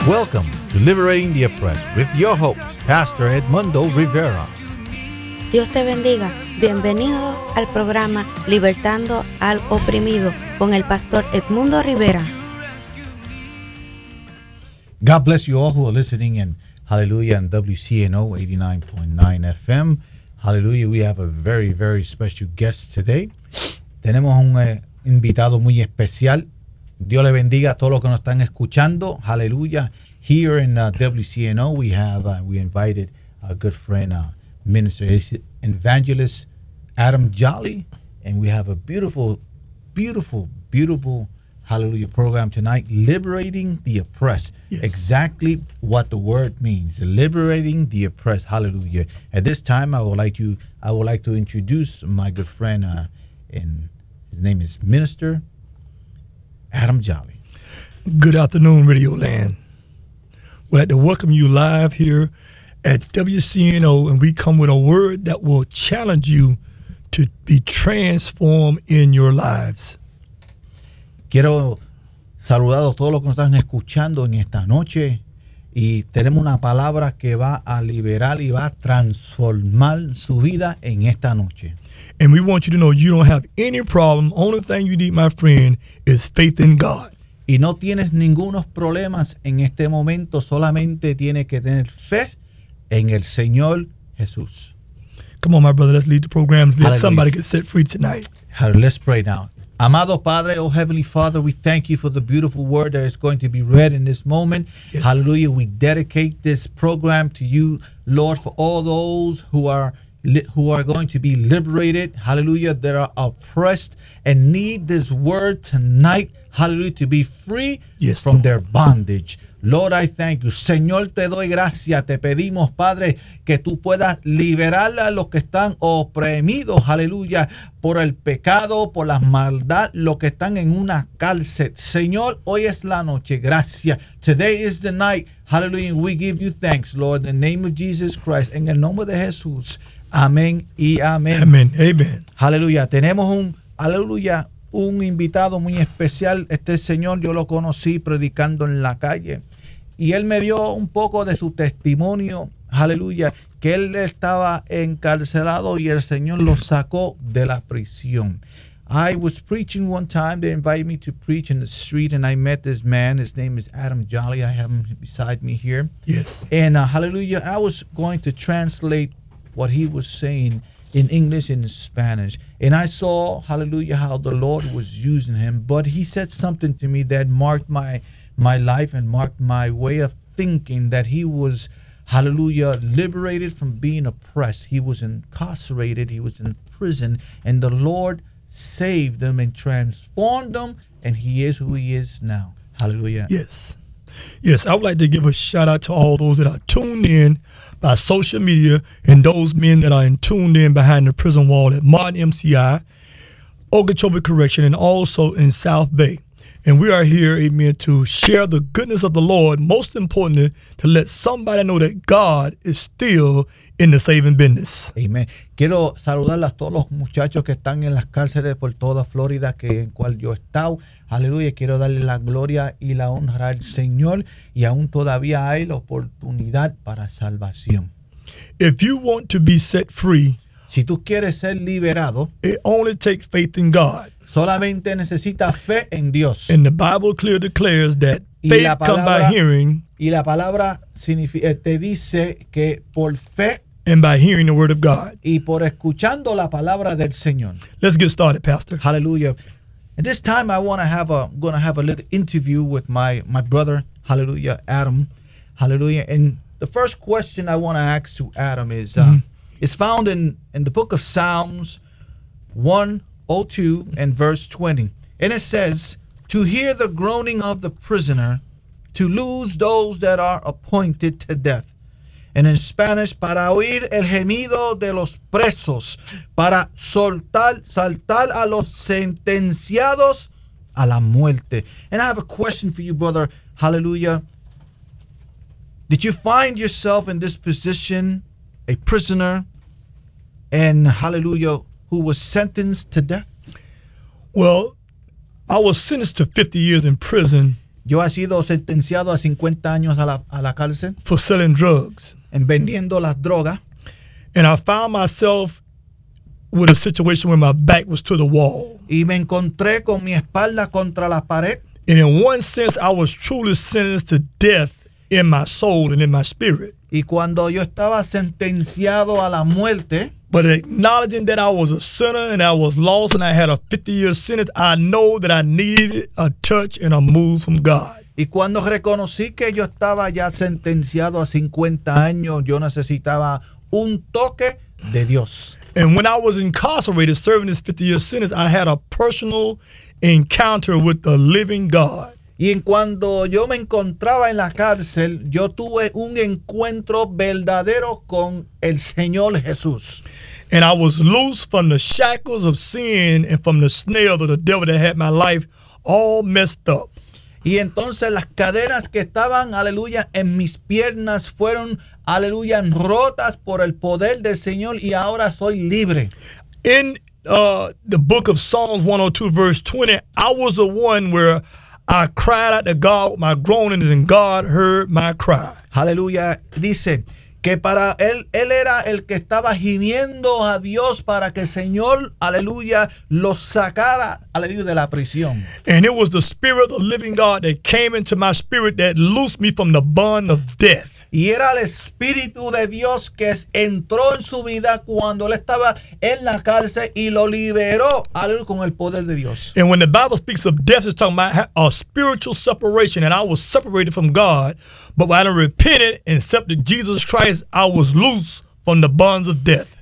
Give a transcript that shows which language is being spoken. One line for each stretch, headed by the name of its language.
English: Welcome to Liberating the Oppressed with your host, Pastor Edmundo Rivera.
Spanish: Dios te bendiga. Bienvenidos al programa Libertando al Oprimido con el Pastor Edmundo Rivera.
English: God bless you all who are listening and hallelujah on WCNO 89.9 FM. Hallelujah, we have a very, very special guest today.
Spanish: Tenemos un invitado muy especial. Dios le bendiga a todos los que nos están escuchando.
English: Hallelujah. Here in WCNO, we invited our good friend, Minister Evangelist Adam Jolly, and we have a beautiful, beautiful, beautiful hallelujah program tonight, Liberating the Oppressed. Yes. Exactly what the word means, liberating the oppressed. Hallelujah. At this time, I would like to introduce my good friend, and his name is Minister Adam Jolly. Good afternoon, Radio Land. We'd like to welcome you live here at WCNO, and we come with a word that will challenge you to be transformed in your lives.
Spanish: Quiero saludar a todos los que nos están escuchando en esta noche, y tenemos una palabra que va a liberar y va a transformar su vida en esta noche.
English: And we want you to know you don't have any problem. Only thing you need, my friend, is faith in God.
Spanish: Y no tienes ningunos problemas en este momento, solamente tienes que tener fe en el Señor Jesús.
English: Come on, my brother, let's lead the programs. Let somebody get set free tonight. Let's pray now.
Spanish: Amado Padre,
English: oh Heavenly Father, we thank you for the beautiful word that is going to be read in this moment. Yes. Hallelujah, we dedicate this program to you, Lord, for all those who are going to be liberated, hallelujah, that are oppressed and need this word tonight, hallelujah, to be free, yes, from their bondage. Lord, I thank you.
Spanish: Señor, te doy gracias. Te pedimos, Padre, que tú puedas liberar a los que están oprimidos, aleluya, por el pecado, por la maldad, los que están en una cárcel. Señor, hoy es la noche. Gracias.
English: Today is the night. Hallelujah. We give you thanks, Lord, in the name of Jesus Christ.
Spanish: En el nombre de Jesús. Amén y amén. Amén. Amén. Aleluya. Tenemos un, aleluya, un invitado muy especial. Este señor yo lo conocí predicando en la calle, y él me dio un poco de su testimonio, aleluya, que él estaba encarcelado y el Señor lo sacó de la prisión.
English: I was preaching one time, they invited me to preach in the street, and I met this man. His name is Adam Jolly. I have him beside me here. Yes. And hallelujah, I was going to translate what he was saying in English and in Spanish. And I saw, hallelujah, how the Lord was using him. But he said something to me that marked my life and marked my way of thinking, that he was, hallelujah, liberated from being oppressed. He was incarcerated. He was in prison. And the Lord saved him and transformed him. And he is who he is now. Hallelujah. Yes. Yes, I would like to give a shout out to all those that are tuned in by social media, and those men that are tuned in behind the prison wall at Martin MCI, Okeechobee Correction, and also in South Bay. And we are here, amen, to share the goodness of the Lord, most importantly, to let somebody know that God is still in the saving business. Amen.
Spanish: Quiero saludar a todos los muchachos que están en las cárceles por toda Florida, que en cual yo he estado. Aleluya, quiero darle la gloria y la honra al Señor, y aún todavía hay la oportunidad para salvación.
English: If you want to be set free,
Spanish: si tú quieres ser liberado,
English: it only takes faith in God.
Spanish: Solamente necesita fe en Dios.
English: And the Bible clearly declares that faith comes by hearing.
Spanish: Y la palabra significa, te dice que por fe.
English: And by hearing the word of God.
Spanish: Y por escuchando la palabra del Señor.
English: Let's get started, Pastor. Hallelujah. At this time, I want to have a little interview with my brother, hallelujah, Adam. Hallelujah. And the first question I want to ask to Adam is, it's found in the book of Psalms 102 and verse 20. And it says, to hear the groaning of the prisoner, to lose those that are appointed to death. and in Spanish,
Spanish: para oír el gemido de los presos, para saltar a los sentenciados a la muerte.
English: And I have a question for you, brother. Hallelujah. Did you find yourself in this position, a prisoner, and hallelujah, who was sentenced to death? Well, I was sentenced to 50 years in prison.
Spanish: Yo he sido sentenciado a 50 años a la cárcel.
English: For selling drugs.
Spanish: En vendiendo las drogas.
English: And I found myself with a situation where my back was to the wall.
Spanish: Y me encontré con mi espalda contra la pared.
English: And in one sense, I was truly sentenced to death in my soul and in my spirit.
Spanish: Y cuando yo estaba sentenciado a la muerte.
English: But acknowledging that I was a sinner and I was lost and I had a 50-year sentence, I know that I needed a touch and a move from God.
Spanish: Y cuando reconocí que yo estaba ya sentenciado a 50 años, yo necesitaba un toque de Dios.
English: And when I was incarcerated serving this 50-year sentence, I had a personal encounter with the living God.
Spanish: Y en cuando yo me encontraba en la cárcel, yo tuve un encuentro verdadero con el Señor Jesús.
English: And I was loose from the shackles of sin and from the snare of the devil that had my life all messed up.
Spanish: Y entonces las cadenas que estaban, aleluya, en mis piernas fueron, aleluya, rotas por el poder del Señor y ahora soy libre.
English: In the book of Psalms 102 verse 20, I was the one where I cried out to God with my groanings, and God heard my cry. Hallelujah.
Spanish: Dice que para él era el que estaba gimiendo a Dios para que el Señor, aleluya, lo sacara, aleluya, de la prisión.
English: And it was the Spirit of the living God that came into my spirit that loosed me from the bond of death.
Spanish: Y era el Espíritu de Dios que entró en su vida cuando él estaba en la cárcel y lo liberó, aleluya, con el poder de Dios.
English: And when the Bible speaks of death, it's talking about a spiritual separation, and I was separated from God, but when I repented and accepted Jesus Christ, I was loose from the bonds of death.